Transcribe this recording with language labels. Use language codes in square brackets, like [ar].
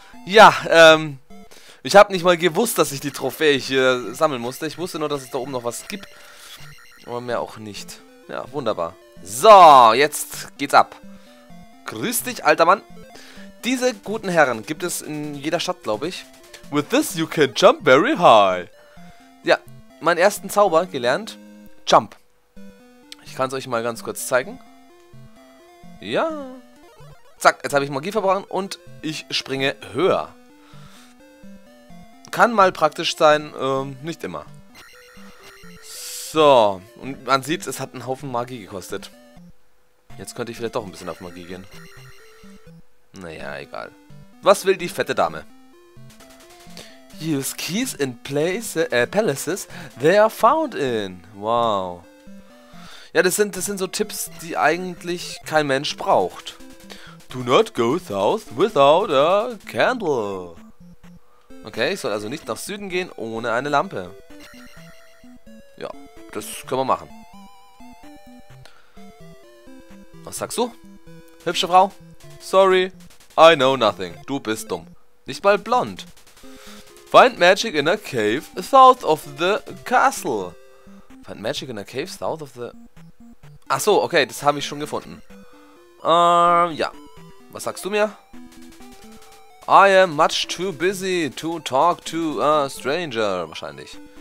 [de] Ja, ich habe nicht mal gewusst, dass ich die Trophäe hier sammeln musste. Ich wusste nur, dass es da oben noch was gibt. Aber mehr auch nicht. Ja, wunderbar. So, jetzt geht's ab. Grüß dich, alter Mann. Diese guten Herren gibt es in jeder Stadt, glaube ich. [en] With this you can jump very high. [de] Ja, meinen ersten Zauber gelernt. Jump. Ich kann es euch mal ganz kurz zeigen. Ja. Zack, jetzt habe ich Magie verbraucht und ich springe höher. Kann mal praktisch sein, nicht immer. So, und man sieht, es hat einen Haufen Magie gekostet. Jetzt könnte ich vielleicht doch ein bisschen auf Magie gehen. Naja, egal. Was will die fette Dame? [en] Use keys in palaces they are found in. Wow. [de] Ja, das sind so Tipps, die eigentlich kein Mensch braucht. [en] Do not go south without a candle. [de] Okay, ich soll also nicht nach Süden gehen ohne eine Lampe. Ja, das können wir machen. Was sagst du? Hübsche Frau? [en] Sorry, I know nothing. [de] Du bist dumm. Nicht mal blond. [en] Find magic in a cave south of the castle. Find magic in a cave south of the... [de] Ach so, okay, das habe ich schon gefunden. Ja. Was sagst du mir? [en] I am much too busy to talk to a stranger, [de] wahrscheinlich.